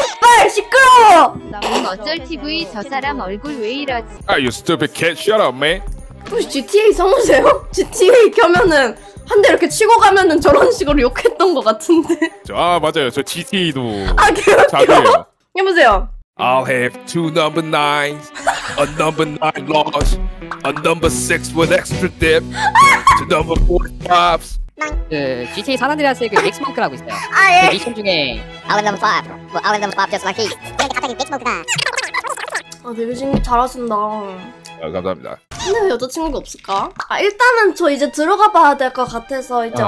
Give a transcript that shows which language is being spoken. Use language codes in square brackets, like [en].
[ko] 빨리 시끄러워! 나온 어쩔 TV 저 사람 얼굴 왜 이러지? [en] Are you stupid cat? Shut up, man! [ko] 혹시 GTA 성우세요? GTA 켜면은 한 대 이렇게 치고 가면은 저런 식으로 욕했던 거 같은데? 저, 아 맞아요 저 GTA도 아 개웃겨? 해보세요! [en] I'll have two number nines, a number nine large, a number six with extra dip, two number four fives. [ko] 그 GTA 산안드레아스의 그 맥스몽크라고 있어요. 아 예. 그 미션 중에 아웬 넘버 5 뭐 아웬 넘버 5 [en] just like he [ko] 근데 갑자기 맥스몽크가 아 대표님 잘하신다. 아 감사합니다. 근데 왜 여자친구가 없을까? 아 일단은 저 이제 들어가 봐야 될 것 같아서 이제 아,